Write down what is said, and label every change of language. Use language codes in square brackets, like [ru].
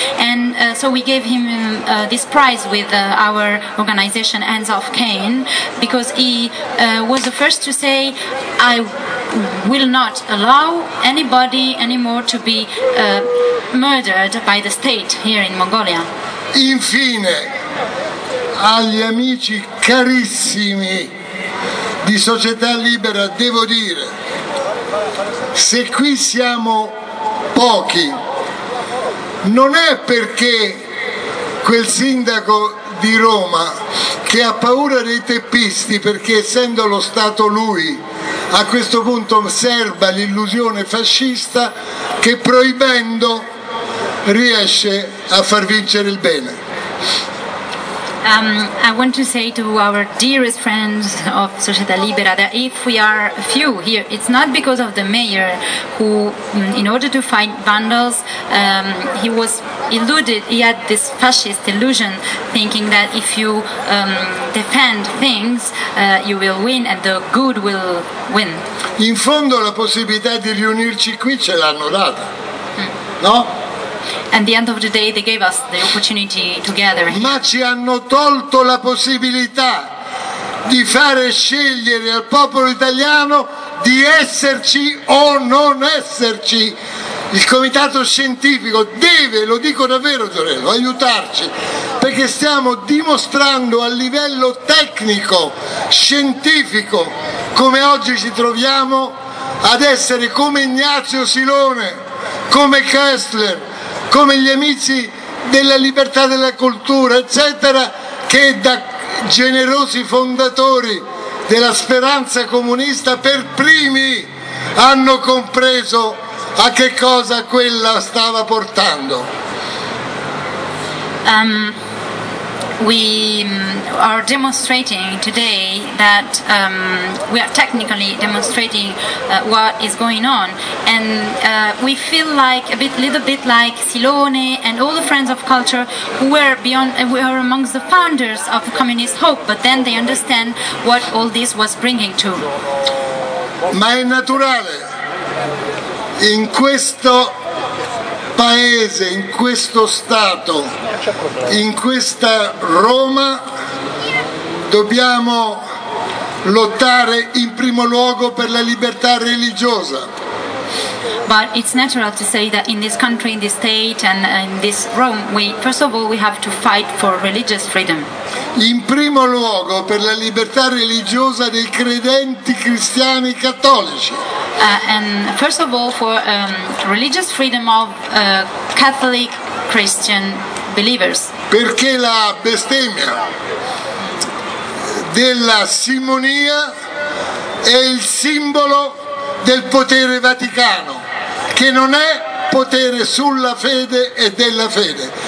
[en] And so we gave him this prize with our organization Hands Off Cain, because he was the first to say, I will not allow anybody anymore to be murdered by the state here in Mongolia. [it] Infine, agli amici carissimi di Società Libera devo dire, se qui siamo pochi non è perché quel sindaco di Roma che ha paura dei teppisti, perché essendo lo Stato lui a questo punto serba l'illusione fascista che proibendo riesce a far vincere il bene. [en] I want to say to our dearest friends of Società Libera that if we are few here, it's not because of the mayor who, in order to fight vandals, he was illuded, he had this fascist illusion, thinking that if you defend things, you will win and the good will win. [it] In fondo la possibilità di riunirci qui ce l'hanno data, no? [en] At the end of the day, they gave us the opportunity to gather. [it] Ma ci hanno tolto la possibilità di fare scegliere al popolo italiano di esserci o non esserci. il comitato scientifico deve, lo dico davvero Torello, aiutarci, perché stiamo dimostrando a livello tecnico, scientifico, come oggi ci troviamo ad essere come Ignazio Silone, come Kessler, come gli amici della libertà della cultura, eccetera, che da generosi fondatori della speranza comunista per primi hanno compreso a che cosa quella stava portando. [en] We are demonstrating today that we are technically demonstrating what is going on, and we feel like a bit, little bit like Silone and all the friends of culture who were beyond, we are amongst the founders of the communist hope, but then they understand what all this was bringing to. [it] Ma è naturale in questo paese, in questo stato, in questa Roma, dobbiamo lottare in primo luogo per la libertà religiosa. [en] But it's natural to say that in this country, in this state and in this Rome, we first of all we have to fight for religious freedom. [it] In primo luogo per la libertà religiosa dei credenti cristiani cattolici. [en] And first of all for religious freedom of Catholic Christian believers. [it] Perché la bestemmia della simonia è il simbolo del potere vaticano, che non è potere sulla fede e della fede.